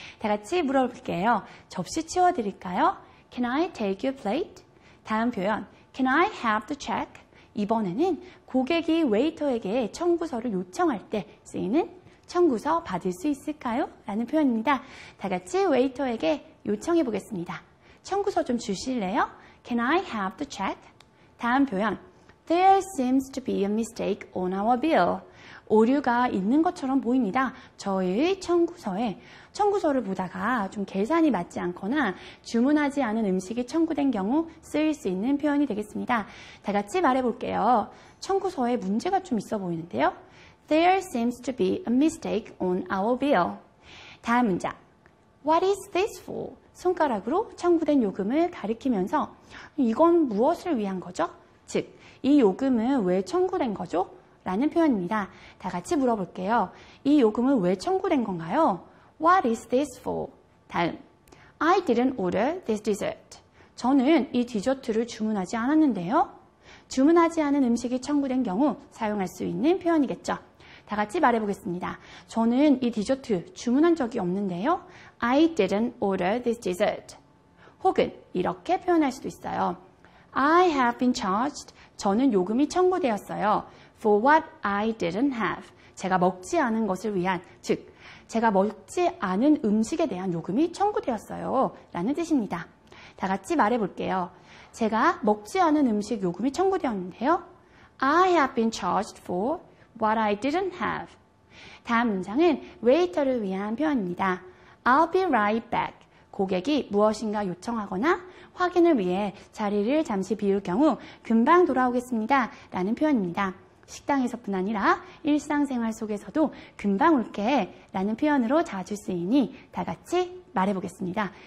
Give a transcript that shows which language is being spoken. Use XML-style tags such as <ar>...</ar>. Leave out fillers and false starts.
<ko>다 같이 물어볼게요. 접시 치워드릴까요?</ko> <en>Can I take your plate?</en> <ko>다음 표현,</ko> <en>Can I have the check?</en> <ko>이번에는 고객이 웨이터에게 청구서를 요청할 때 쓰이는 청구서 받을 수 있을까요? 라는 표현입니다. 다 같이 웨이터에게 요청해 보겠습니다. 청구서 좀 주실래요?</ko> <en>Can I have the check?</en> <ko>다음 표현,</ko> <en>There seems to be a mistake on our bill.</en> <ko>오류가 있는 것처럼 보입니다. 저희 청구서에 청구서를 보다가 좀 계산이 맞지 않거나 주문하지 않은 음식이 청구된 경우 쓰일 수 있는 표현이 되겠습니다. 다 같이 말해볼게요. 청구서에 문제가 좀 있어 보이는데요.</ko> <en>There seems to be a mistake on our bill.</en> <ko>다음 문장.</ko> <en>What is this for?</en> <ko>손가락으로 청구된 요금을 가리키면서 이건 무엇을 위한 거죠? 즉, 이 요금은 왜 청구된 거죠? 라는 표현입니다. 다 같이 물어볼게요. 이 요금은 왜 청구된 건가요?</ko> <en>What is this for? 다음, I didn't order this dessert.</en> <ko>저는 이 디저트를 주문하지 않았는데요. 주문하지 않은 음식이 청구된 경우 사용할 수 있는 표현이겠죠. 다 같이 말해보겠습니다. 저는 이 디저트 주문한 적이 없는데요.</ko> <en>I didn't order this dessert.</en> <ko>혹은 이렇게 표현할 수도 있어요.</ko> <en>I have been charged.</en> <ko>저는 요금이 청구되었어요.</ko> <en>For what I didn't have.</en> <ko>제가 먹지 않은 것을 위한, 즉, 제가 먹지 않은 음식에 대한 요금이 청구되었어요. 라는 뜻입니다. 다 같이 말해볼게요. 제가 먹지 않은 음식 요금이 청구되었는데요.</ko> <en>I have been charged for what I didn't have.</en> <ko>다음 문장은 웨이터를 위한 표현입니다.</ko> <en>I'll be right back.</en> <ko>고객이 무엇인가 요청하거나 확인을 위해 자리를 잠시 비울 경우 금방 돌아오겠습니다. 라는 표현입니다. 식당에서뿐 아니라 일상생활 속에서도 금방 올게 라는 표현으로 자주 쓰이니 다 같이 말해보겠습니다.</ko>